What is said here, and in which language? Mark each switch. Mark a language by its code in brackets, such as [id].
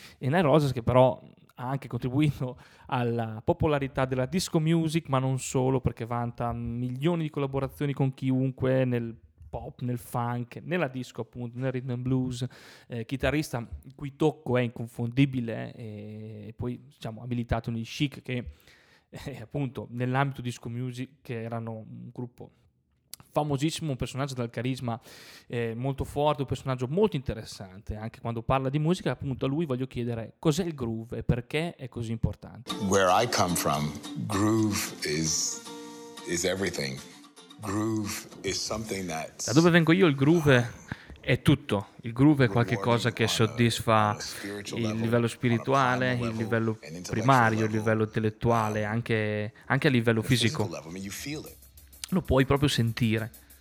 [it] E Nile Rodgers, che però ha anche contribuito alla popolarità della disco music, ma non solo, perché vanta milioni di collaborazioni con chiunque nel pop, nel funk, nella disco appunto, nel rhythm and blues, chitarrista il cui tocco è inconfondibile, e poi diciamo abilitato nei Chic, che appunto nell'ambito disco music, che erano un gruppo famosissimo, un personaggio dal carisma molto forte, un personaggio molto interessante anche quando parla di musica. Appunto a lui voglio chiedere cos'è il groove e perché è così importante. [en] Where I come from, groove is everything. Groove is something that. [it] Da dove vengo io, il groove è tutto. Il groove è qualcosa che soddisfa il livello spirituale, il livello primario, il livello intellettuale, anche a livello fisico. Lo puoi proprio sentire.